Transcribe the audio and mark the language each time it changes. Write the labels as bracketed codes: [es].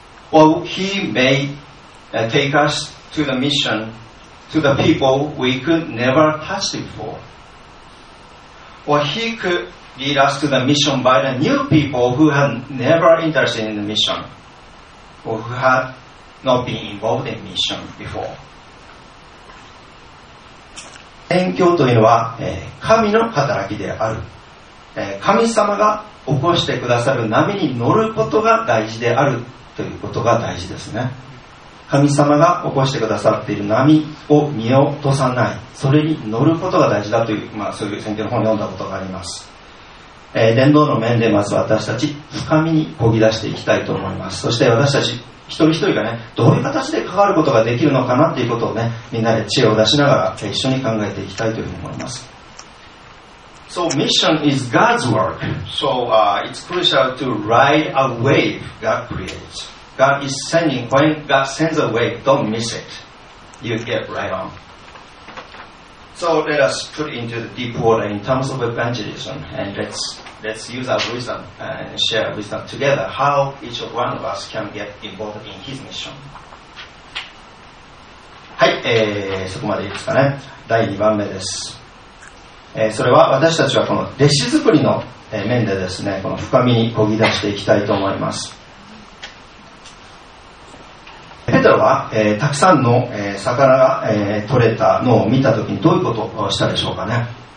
[en] Or he may take us to the mission to the people we could never touch before. Or he could lead us to the mission by the new people who have never interested in the mission, or who have not been involved in mission before. [ja] 宣教というのは神の働きである。神様が起こしてくださる波に乗ることが大事であるということが大事ですね。神様が起こしてくださっている波を見落とさない、それに乗ることが大事だという、まあ、そういう宣教の本を読んだことがあります。伝道の面でまず私たち深みに漕ぎ出していきたいと思います。そして私たち一人一人がね、どういう形で関わることができるのかなっていうことをね、みんなで知恵を出しながら一緒に考えていきたいというふうに思います。 [en] So mission is God's work. So it's crucial to ride a wave God creates. God is sending. When God sends a wave, don't miss it. You get right on. So let us put into the deep water in terms of evangelism, and let's use our wisdom and share wisdom together how each one of us can get involved in his mission. [ja] はい、そこまでいいですかね。第2番目です。それは私たちはこの弟子作りの面でですね、この深みにこぎ出していきたいと思います。ペテロは、たくさんの、魚が、取れたのを見たときにどういうことをしたでしょうかね。